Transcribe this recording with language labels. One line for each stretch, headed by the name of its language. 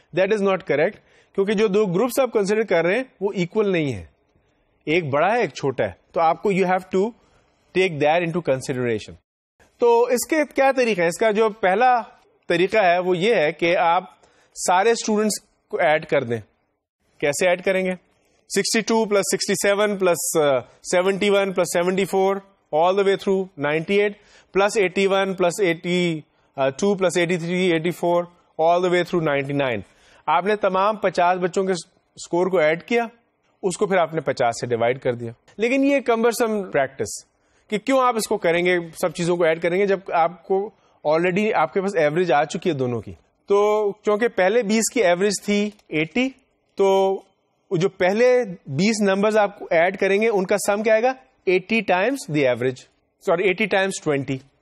English: that is not correct,
Urdu: کیونکہ جو دو groups آپ کنسیڈر کر رہے ہیں وہ ایکول نہیں ہے, ایک بڑا ہے ایک چھوٹا ہے. تو آپ کو
English: You have to take their into consideration.
Urdu: تو اس کے کیا طریقہ ہے؟ اس کا جو پہلا طریقہ ہے وہ یہ ہے کہ آپ سارے اسٹوڈینٹس کو ایڈ کر دیں. کیسے ایڈ کریں گے؟
English: 62 plus 67 plus 71 plus 74 all the way through 98 plus 81 plus 82 plus 83 84 all the way through 99.
Urdu: آپ نے تمام 50 بچوں کے اسکور کو ایڈ کیا, اس کو پھر آپ نے 50 سے ڈیوائڈ کر دیا. لیکن یہ کمبرسم پریکٹس کہ کیوں آپ اس کو کریں گے, سب چیزوں کو ایڈ کریں گے, جب آپ کو آلریڈی آپ کے پاس ایوریج آ چکی ہے دونوں کی. تو کیونکہ پہلے 20 کی ایوریج تھی 80, تو جو پہلے 20 نمبرز آپ کو ایڈ کریں گے ان کا سم کیا آئے گا؟
English: 80 times the average, sorry 80 times 20.